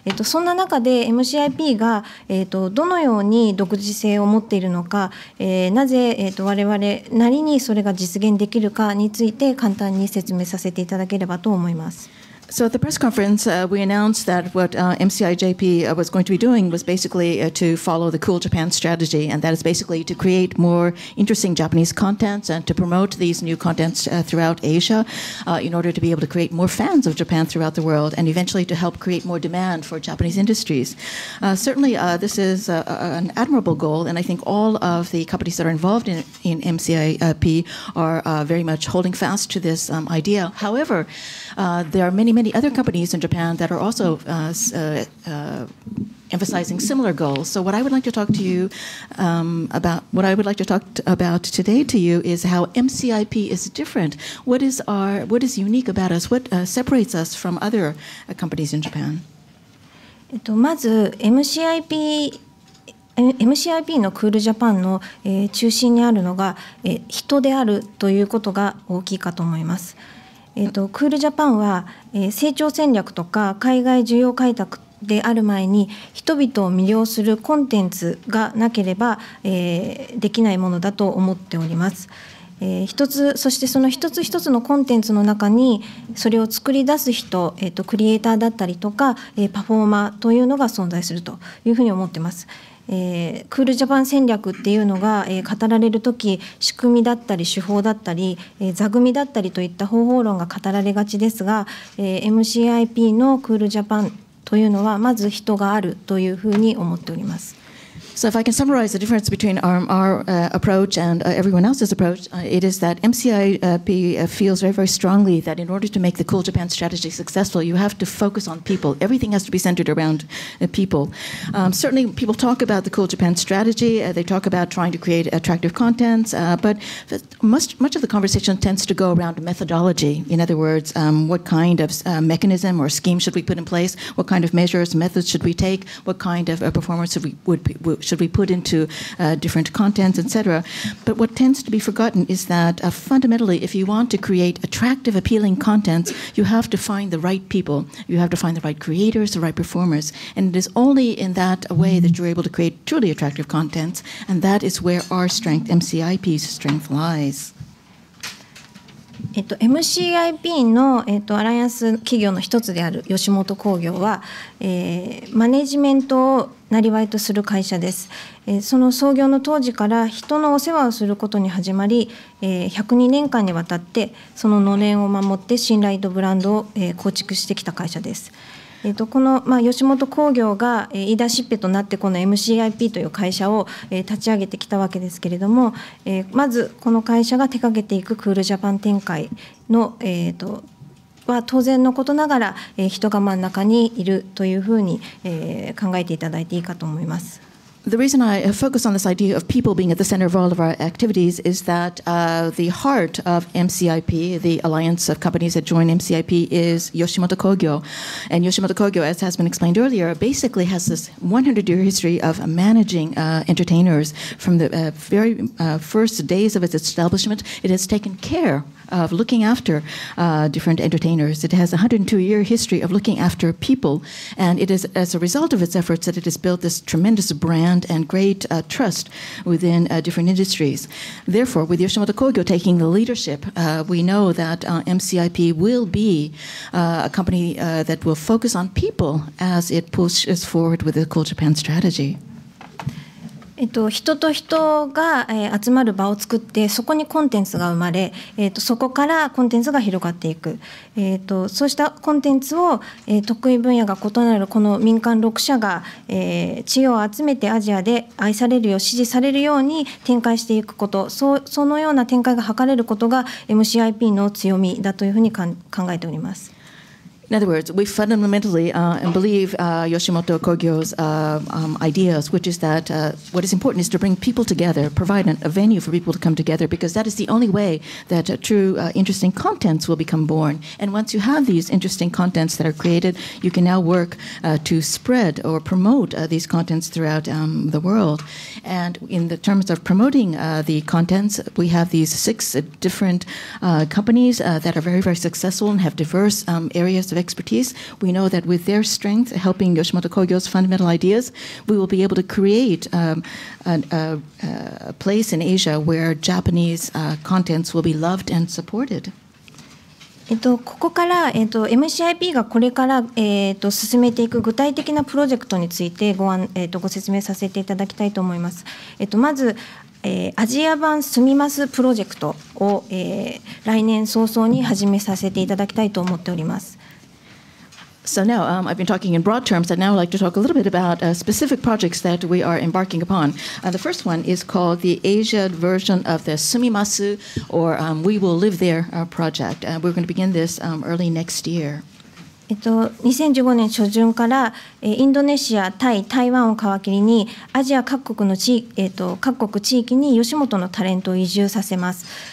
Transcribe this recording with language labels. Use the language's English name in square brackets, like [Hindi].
[Japanese] そんな中で MCIP が、どのように独自性を持っているのか、なぜ、我々なりにそれが実現できるかについて簡単に説明させていただければと思います。 [English] So at the press conference, we announced that what MCIJP was going to be doing was basically to follow the Cool Japan strategy, and that is basically to create more interesting Japanese contents and to promote these new contents throughout Asia in order to be able to create more fans of Japan throughout the world and eventually to help create more demand for Japanese industries. Certainly, this is an admirable goal, and I think all of the companies that are involved in MCIP are very much holding fast to this idea. However, there are many other companies in Japan that are also emphasizing similar goals. So what I would like to talk to you about, what I would like to talk about today to you is how MCIP is different. What is our, what is unique about us? What separates us from other companies in Japan? [Japanese] まず MCIP、MCIP のクールジャパンの中心にあるのが人であるということが大きいかと思います。クールジャパンは成長戦略とか海外需要開拓である前に人々を魅了するコンテンツがなければできないものだと思っております。一つ、そしてその一つ一つのコンテンツの中にそれを作り出す人、クリエイターだったりとかパフォーマーというのが存在するというふうに思ってます。クールジャパン戦略っていうのが語られるとき、仕組みだったり手法だったり座組だったりといった方法論が語られがちですが、MCIP のクールジャパンというのはまず人があるというふうに思っております。 [English] So if I can summarize the difference between our approach and everyone else's approach, it is that MCIP feels very, very strongly that in order to make the Cool Japan strategy successful, you have to focus on people. Everything has to be centered around people. Certainly, people talk about the Cool Japan strategy. They talk about trying to create attractive contents. But much of the conversation tends to go around methodology. In other words, what kind of mechanism or scheme should we put in place? What kind of measures, methods should we take? What kind of performance should we put into different contents, etc. But what tends to be forgotten is that fundamentally, if you want to create attractive, appealing contents, you have to find the right people. You have to find the right creators, the right performers. And it is only in that way that you're able to create truly attractive contents. And that is where our strength, MCIP's strength, lies. [Japanese] MCIP の、アライアンス企業の一つである吉本興業は、マネジメントを生業とする会社です。その創業の当時から人のお世話をすることに始まり、102年間にわたってそののれんを守って信頼とブランドを、構築してきた会社です。この、吉本興業が、イーダーシッペとなってこの MCIP という会社を、立ち上げてきたわけですけれども、まずこの会社が手掛けていくクールジャパン展開の、は当然のことながら、人が真ん中にいるというふうに、考えていただいていいかと思います。 [English] The reason I focus on this idea of people being at the center of all of our activities is that the heart of MCIP, the alliance of companies that join MCIP, is Yoshimoto Kogyo. And Yoshimoto Kogyo, as has been explained earlier, basically has this 100-year history of managing entertainers from the very first days of its establishment. It has taken care of looking after different entertainers. It has a 102-year history of looking after people. And it is as a result of its efforts that it has built this tremendous brand. And great trust within different industries. Therefore, with Yoshimoto Kogyo taking the leadership, we know that MCIP will be a company that will focus on people as it pushes forward with the Cool Japan strategy. [Japanese] 人と人が集まる場を作って、そこにコンテンツが生まれ、そこからコンテンツが広がっていく、そうしたコンテンツを、得意分野が異なるこの民間6社が、知恵を集めてアジアで愛されるよう支持されるように展開していくこと、そのような展開が図れることが MCIP の強みだというふうに考えております。 [English] In other words, we fundamentally believe Yoshimoto Kogyo's ideas, which is that what is important is to bring people together, provide a venue for people to come together, because that is the only way that true interesting contents will become born. And once you have these interesting contents that are created, you can now work to spread or promote these contents throughout the world. And in the terms of promoting the contents, we have these six different companies that are very, very successful and have diverse areas of expertise. We know that with their strength helping Yoshimoto Kogyo's fundamental ideas, we will be able to create a place in Asia where Japanese contents will be loved and supported. [Japanese] ここから、MCIP がこれから、進めていく具体的なプロジェクトについてご説明させていただきたいと思います。まず、アジア版住みますプロジェクトを、来年早々に始めさせていただきたいと思っております。 [English] So now, I've been talking in broad terms, and now I'd like to talk a little bit about specific projects that we are embarking upon. The first one is called the Asia version of the Sumimasu, or We Will Live There project. We're going to begin this early next year. [Japanese] 2015年初旬から、インドネシア、タイ、台湾を皮切りに、アジア各国の地、各国地域に吉本のタレントを移住させます。